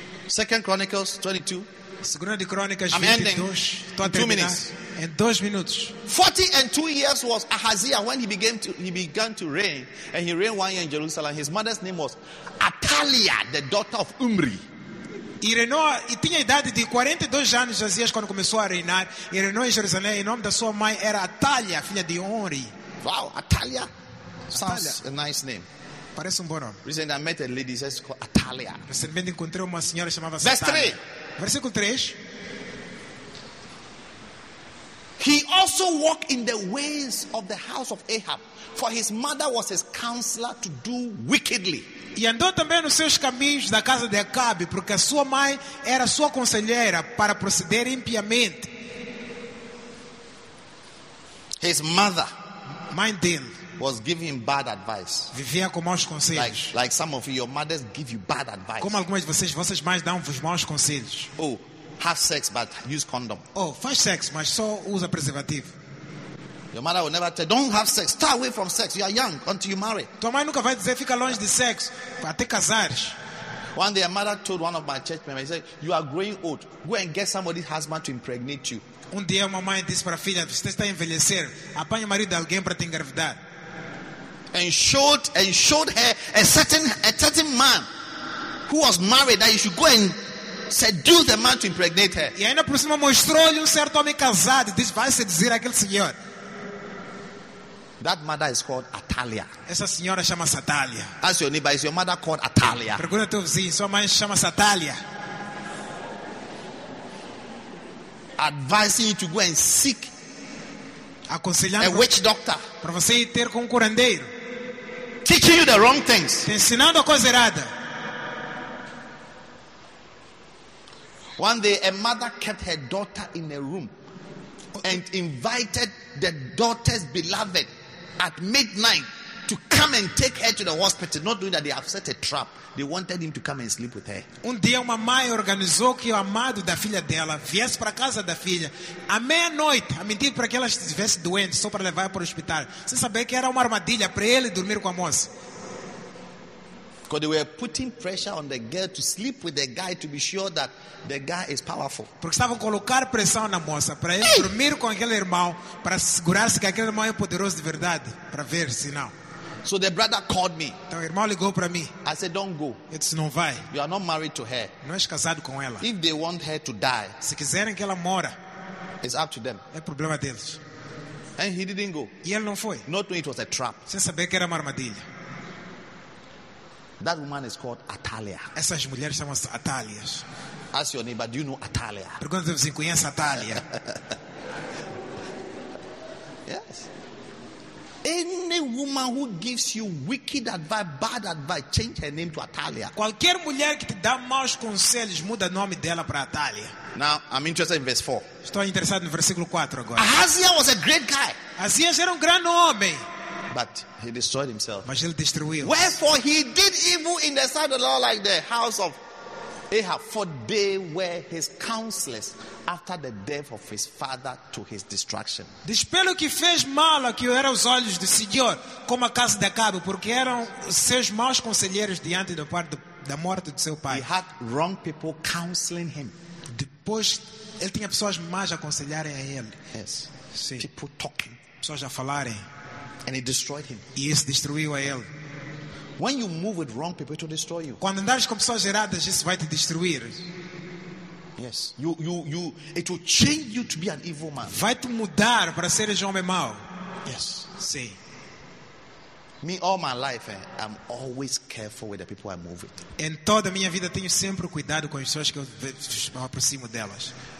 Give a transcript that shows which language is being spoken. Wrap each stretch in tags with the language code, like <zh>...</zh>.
<en>2 Chronicles 22.</en> <pt>Segunda de Crônicas</pt> <en>22. I'm ending. In 2 minutes. 42 years was Ahaziah when he began to reign, and he reigned 1 year in Jerusalem. His mother's name was Athaliah, the daughter of Omri.</en> <pt>E reinou, e tinha a idade de 42 anos Josias quando começou a reinar. E reinou em Jerusalém. E o nome da sua mãe era Athaliah, filha de Omri.</pt> <en>Wow, Athaliah. Sounds a nice name.</en> <pt>Parece bom nome.</pt> <en>Recently I met a lady who says called Athaliah.</en> <pt>Recentemente encontrei uma senhora chamada</pt> <en>Athaliah. Verse 3.</en> <pt>Versículo 3.</pt> <en>He also walked in the ways of the house of Ahab, for his mother was his counselor to do wickedly.</en> <pt>E andou também nos seus caminhos da casa de Acabe, porque a sua mãe era sua conselheira para proceder impiamente.</pt> <en>His mother,</en> <pt>mãe dele,</pt> <en>was giving bad advice.</en> <pt>Vivia com maus conselhos.</pt> <en>Like some of your mothers give you bad advice.</en> <pt>Como algumas de vocês mães dão-vos maus conselhos.</pt> <en>Oh, have sex but use condom.</en> <pt>Oh, faz sexo, mas só usa preservativo.</pt> <en>Your mother will never tell, don't have sex. Stay away from sex. You are young until you marry.</en> <pt>Tua mãe nunca vai dizer, fica longe de sexo até casares.</pt> <en>One day a mother told one of my church members, he said, you are growing old. Go and get somebody's husband to impregnate you.</en> <pt>Um dia uma mãe disse para a filha, você está a envelhecer. Apanhe o marido de alguém para te engravidar.</pt> <en>And showed her a certain man who was married that you should go and seduce the man to impregnate her.</en> <pt>E ainda por cima mostrou-lhe certo homem casado, disse, vai seduzir aquele senhor.</pt> <en>That mother is called Athaliah.</en> <pt>Essa senhora chama-se Athaliah.</pt> <en>Ask your neighbor, is your mother called Athaliah?</en> <pt>Pergunta teu vizinho, sua mãe chama-se Athaliah.</pt> <en>Advising you to go and seek</en> <pt>aconselhando</pt> <en>a witch doctor.</en> <pt>Para você ir ter com um curandeiro.</pt> <en>Teaching you the wrong things.</en> <pt>Te ensinando a coisa errada.</pt> <en>One day a mother kept her daughter in a room and invited the daughter's beloved at midnight to come and take her to the hospital, not knowing that they have set a trap. They wanted him to come and sleep with her.</en> <pt>Um dia uma mãe organizou que o amado da filha dela viesse para a casa da filha à meia-noite, a mentir para que ela estivesse doente, só para levar para o hospital, sem saber que era uma armadilha para ele dormir com a moça.</pt> <en>Because they were putting pressure on the girl to sleep with the guy to be sure that the guy is powerful.</en> <pt>Porque estavam colocar pressão na moça para ele dormir com aquele irmão para segurar-se que aquele irmão é poderoso de verdade, para ver se não.</pt> <en>So the brother called me.</en> <pt>Então o irmão ligou para mim.</pt> <en>I said, don't go.</en> <pt>Ele disse, não vai.</pt> <en>You are not married to her.</en> <pt>Não és casado com ela.</pt> <en>If they want her to die,</en> <pt>se quiserem que ela mora,</pt> <en>it's up to them.</en> <pt>É problema deles.</pt> <en>And he didn't go.</en> <pt>E ele não foi.</pt> <en>Not knowing it was a trap.</en> <pt>Sem saber que era uma armadilha.</pt> <en>That woman is called Athaliah.</en> <pt>Essas mulheres chamam-se Athaliahs.</pt> <en>Ask your neighbor, do you know Athaliah?</en> <pt>Pergunta-te se conhece Athaliah.</pt> <en>Yes. Any woman who gives you wicked advice, bad advice, change her name to Athaliah.</en> <pt>Qualquer mulher que te dá maus conselhos, muda o nome dela para Athaliah.</pt> <en>Now, I'm interested in verse 4.</en> <pt>Estou interessado no versículo 4 agora.</pt> <en>Ahaziah was a great guy.</en> <pt>Ahaziah era grande homem.</pt> <en>But he destroyed himself.</en> <pt>Mas ele destruiu.</pt> <en>Wherefore he did evil in the sight of the Lord, like the house of Ahab, for they were his counselors after the death of his father to his destruction.</en> <pt>Diz pelo que fez mal a que eram os olhos do Senhor, como a casa de Acabe, porque eram seus maus conselheiros diante do pai da morte do seu pai.</pt> <en>He had wrong people counseling him.</en> <pt>Depois, ele tinha pessoas más a aconselharem a ele.</pt> <en>Yes.</en> <pt>Sim.</pt> <en>People talking.</en> <pt>Pessoas a falarem.</pt> <en>And it destroyed him.</en> <pt>E isso destruiu a ele.</pt> <en>When you move with wrong people, it will destroy you.</en> <pt>Quando andares com pessoas erradas, isso vai te destruir.</pt> <en>Yes. You it will change you to be an evil man.</en> <pt>Vai te mudar para ser um homem mau.</pt> <en>Yes.</en> <pt>Sim.</pt> <en>Me all my life, I'm always careful with the people I move with.</en> <pt>Em toda a minha vida tenho sempre cuidado com as pessoas que eu me aproximo delas.</pt>